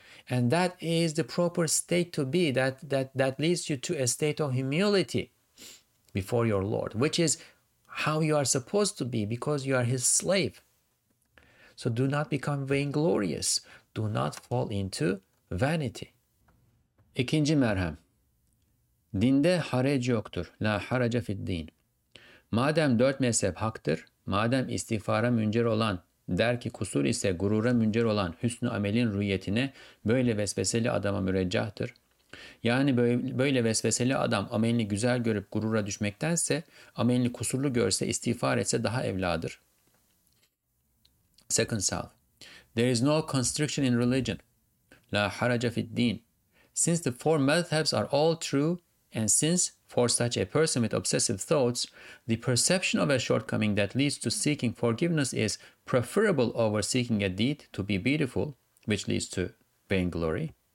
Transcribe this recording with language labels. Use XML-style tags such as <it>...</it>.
<en>And that is the proper state to be. That leads you to a state of humility before your Lord, which is how you are supposed to be because you are His slave. So do not become vainglorious. Do not fall into vanity.</en> <tr>İkinci merham. Dinde harec yoktur.</tr> <ar>La harece fid din.</ar> <tr>Madem dört mezhep haktır, madem istiğfara müncer olan, der ki kusur ise gurura müncer olan hüsnü amelin rüyetine böyle vesveseli adama müreccahtır. Yani böyle vesveseli adam amelini güzel görüp gurura düşmektense, amelini kusurlu görse, istiğfar etse daha evladır.</tr> <en>Second self. There is no constriction in religion.</en> <ar>La haraca fid din.</ar> <en>Since the four madhabs are all true, and since for such a person with obsessive thoughts, the perception of a shortcoming that leads to seeking forgiveness is preferable over seeking a deed to be beautiful, which leads to vainglory.</en>